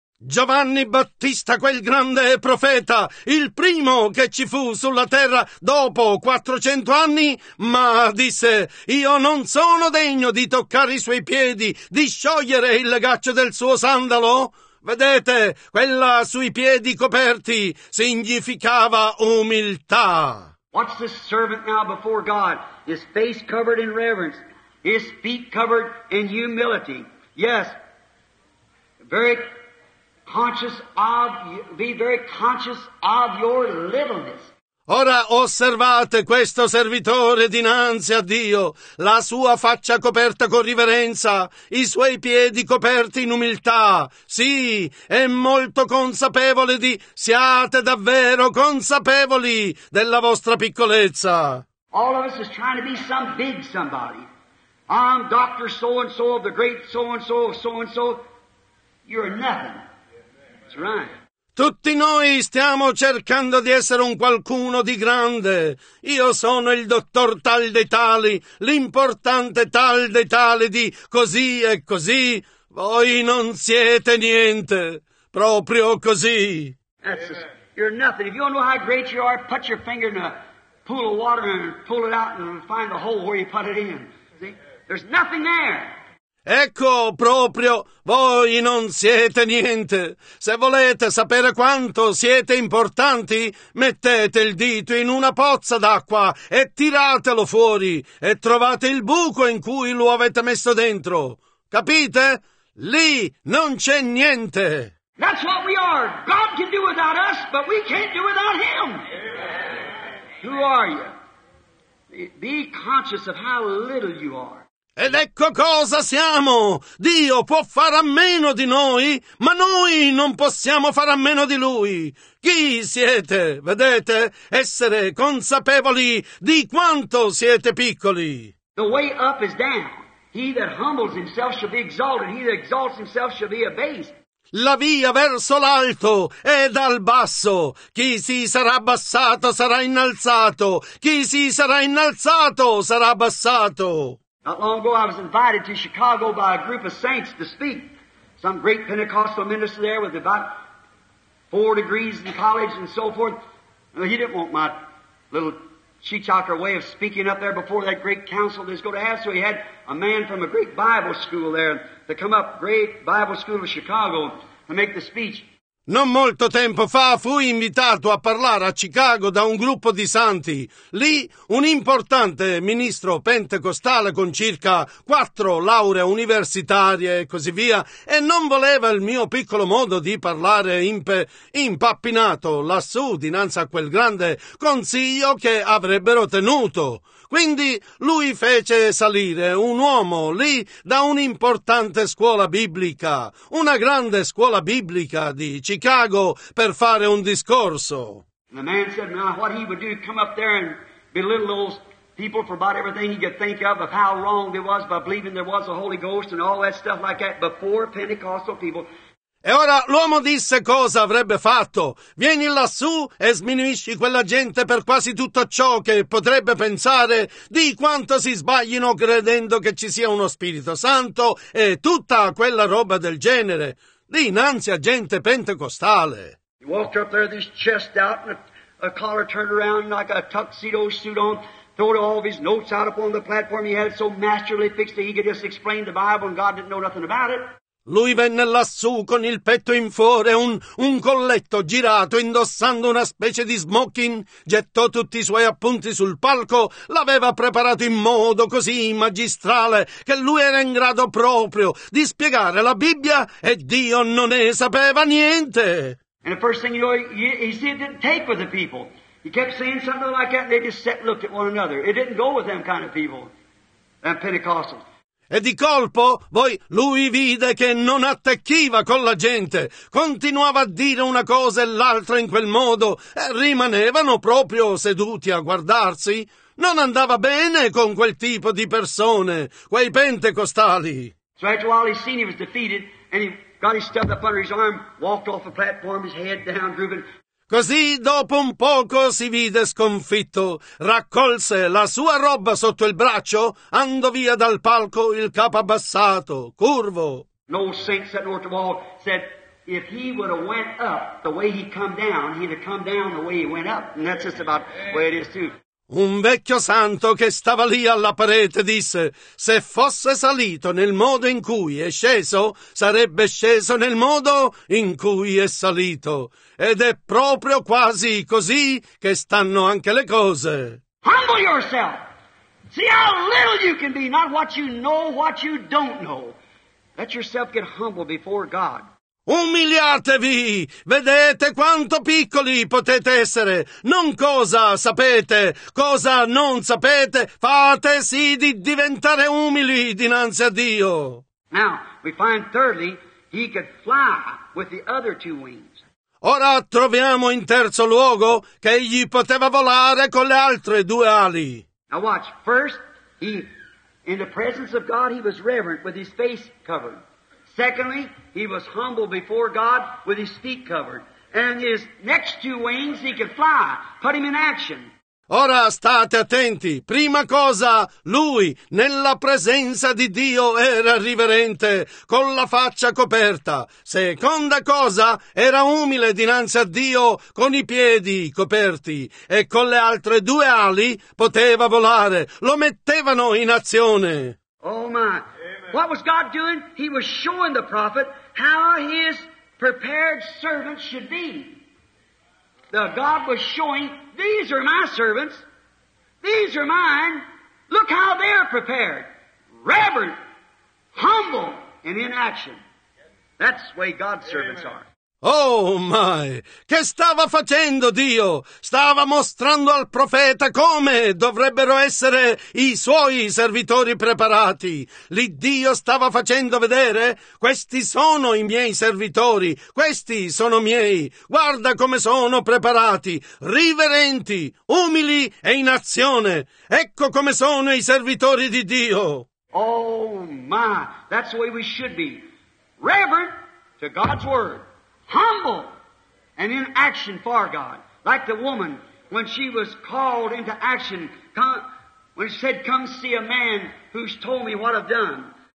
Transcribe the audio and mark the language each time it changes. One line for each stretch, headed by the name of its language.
Italian: Giovanni Battista, quel grande profeta, il primo che ci fu sulla terra dopo 400 anni, ma disse, io non sono degno di toccare i suoi piedi, di sciogliere il legaccio del suo sandalo. Vedete, quella sui piedi coperti significava umiltà.
English: What's this servant now before God? His face covered in reverence, his feet covered in humility. Yes, very conscious of, be very conscious of your littleness.
Italian: Ora osservate questo servitore dinanzi a Dio, la sua faccia coperta con riverenza, i suoi piedi coperti in umiltà. Sì, è molto consapevole di, siate davvero consapevoli della vostra piccolezza.
English: All of us is trying to be some big somebody. I'm Dr. So-and-so of the great so-and-so, so-and-so. You're nothing. That's right.
Italian: Tutti noi stiamo cercando di essere un qualcuno di grande. Io sono il dottor tal dei tali, l'importante tal dei tali di così e così. Voi non siete niente, proprio così.
English: You're nothing. If you don't know how great you are, put your finger in a pool of water and pull it out and find the hole where you put it in. See? There's nothing there.
Italian: Ecco proprio, voi non siete niente. Se volete sapere quanto siete importanti, mettete il dito in una pozza d'acqua e tiratelo fuori e trovate il buco in cui lo avete messo dentro. Capite? Lì non c'è niente.
English: That's what we are. God can do without us, but we can't do without Him. Who are you? Be conscious of how little you are.
Italian: Ed ecco cosa siamo. Dio può fare a meno di noi, ma noi non possiamo fare a meno di Lui. Chi siete? Vedete? Essere consapevoli di quanto siete piccoli.
English: The way up is down. He that humbles himself shall be exalted. He that exalts himself shall be abased.
Italian: La via verso l'alto è dal basso. Chi si sarà abbassato sarà innalzato. Chi si sarà innalzato sarà abbassato.
English: Not long ago I was invited to Chicago by a group of saints to speak. Some great Pentecostal minister there with about 4 degrees in college and so forth. Well, he didn't want my little cheechocker way of speaking up there before that great council that was going to have. So he had a man from a great Bible school there to come up, great Bible school of Chicago, to make the speech.
Italian: Non molto tempo fa fui invitato a parlare a Chicago da un gruppo di santi. Lì un importante ministro pentecostale con circa 4 lauree universitarie e così via, e non voleva il mio piccolo modo di parlare impappinato lassù dinanzi a quel grande consiglio che avrebbero tenuto. Quindi lui fece salire un uomo lì da un'importante scuola biblica, una grande scuola biblica di Chicago, per fare un discorso.
English: And the man said, now what he would do, come up there and belittle those people for about everything he could think of how wrong it was by believing there was a Holy Ghost and all that stuff like that before Pentecostal people.
Italian: E ora l'uomo disse cosa avrebbe fatto. Vieni lassù e sminuisci quella gente per quasi tutto ciò che potrebbe pensare di quanto si sbaglino credendo che ci sia uno Spirito Santo e tutta quella roba del genere, dinanzi a gente pentecostale.
English: He walked up there with his chest out and a collar turned around like a tuxedo suit on, throwed all of his notes out upon the platform. He had it so masterly fixed that he could just explain the Bible and God didn't know nothing about it.
Italian: Lui venne lassù con il petto in fore, un colletto girato, indossando una specie di smoking, gettò tutti i suoi appunti sul palco, l'aveva preparato in modo così magistrale che lui era in grado proprio di spiegare la Bibbia e Dio non ne sapeva niente.
English: And the first thing you know, he said it didn't take with the people. He kept saying something like that and they just sat and looked at one another. It didn't go with them kind of people, them Pentecostals.
Italian: E di colpo, voi, lui vide che non attecchiva con la gente. Continuava a dire una cosa e l'altra in quel modo. E rimanevano proprio seduti a guardarsi. Non andava bene con quel tipo di persone, quei pentecostali.
English: So after a while he seen he was defeated, and he got his stuff up under his arm, walked off the platform, his head down, drooping.
Italian: Così dopo un poco si vide sconfitto, raccolse la sua roba sotto il braccio, andò via dal palco il capo abbassato, curvo.
English: No saint sitting over the wall said, if he would have went up the way he come down, he'd have come down the way he went up. And that's just about where it is too.
Italian: Un vecchio santo che stava lì alla parete disse, se fosse salito nel modo in cui è sceso, sarebbe sceso nel modo in cui è salito. Ed è proprio quasi così che stanno anche le cose.
English: Humble yourself. See how little you can be, not what you know, what you don't know. Let yourself get humble before God.
Italian: Umiliatevi! Vedete quanto piccoli potete essere! Non cosa sapete, cosa non sapete, fate sì di diventare umili dinanzi a Dio!
English: Now, we find thirdly, he could fly with the other two wings.
Italian: Ora troviamo in terzo luogo che egli poteva volare con le altre due ali.
English: Now watch, first, he, in the presence of God, he was reverent with his face covered. Secondly, he was humble before God with his feet covered. and his next two wings he could fly. Put him in action.
Italian: Ora state attenti, prima cosa, lui nella presenza di Dio era riverente, con la faccia coperta. Seconda cosa, era umile dinanzi a Dio, con i piedi coperti, e con le altre due ali poteva volare, lo mettevano in azione.
English: Oh my, amen. What was God doing? He was showing the prophet how his prepared servant should be. The God was showing, these are my servants, these are mine, look how they're prepared, reverent, humble, and in action. That's the way God's servants are. Oh my!
Italian: Che stava facendo Dio? Stava mostrando al profeta come dovrebbero essere i suoi servitori preparati. Lì Dio stava facendo vedere, questi sono i miei servitori, questi sono miei. Guarda come sono preparati, riverenti, umili e in azione. Ecco come sono i servitori di Dio.
English: Oh my! That's the way we should be. Reverent to God's word. Humble and in action for God. Like the woman when she was called into action, when she said, come see a man who's told me what I've done.